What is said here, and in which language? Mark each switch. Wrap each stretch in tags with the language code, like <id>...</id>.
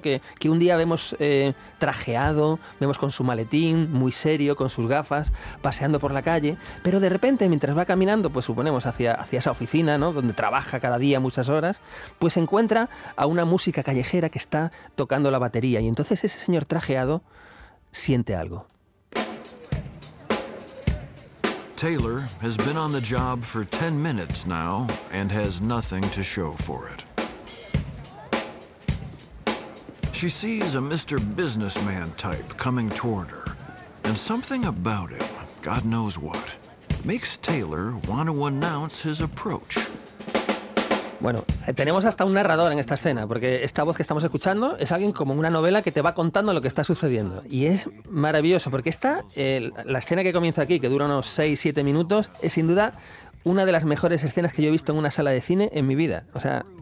<es>Que un día vemos trajeado, vemos con su maletín, muy serio, con sus gafas, paseando por la calle, pero de repente, mientras va caminando, pues suponemos, hacia esa oficina, ¿no? Donde trabaja cada día muchas horas, pues encuentra a una música callejera que está tocando la batería. Y entonces ese señor trajeado siente algo.</es> <en>Taylor has been on the job for 10 minutes now and has nothing to show for it. She sees a Mr. Businessman type coming toward her, and something about him, God knows what, makes Taylor want to announce his approach.</en> <es>Bueno, tenemos hasta un narrador en esta escena, porque esta voz que estamos escuchando es alguien como una novela que te va contando lo que está sucediendo. Y es maravilloso, porque esta, la escena que comienza aquí, que dura unos 6-7 minutos, es sin duda una de las mejores escenas que yo he visto en una sala de cine en mi vida. O sea,</es>